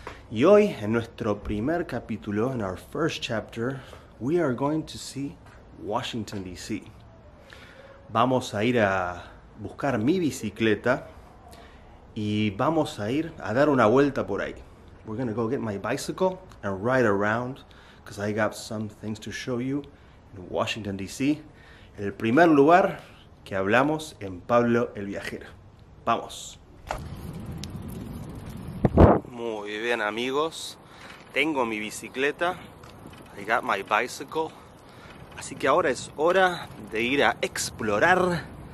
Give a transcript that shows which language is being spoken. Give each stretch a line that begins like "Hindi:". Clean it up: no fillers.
Spanish: Y hoy, en nuestro primer capítulo,
English: in our first chapter, we are going to see Washington, D.C.
Spanish: Vamos a ir a buscar mi bicicleta y vamos a ir a dar una vuelta por ahí.
English: We're gonna go get my bicycle and ride around because I got some things to show you in Washington, D.C.
Spanish: El primer lugar que hablamos en Pablo el Viajero. ¡Vamos! Muy bien, amigos. Tengo mi bicicleta.
English: I got my bicycle.
Spanish: Así que ahora es hora de ir a explorar.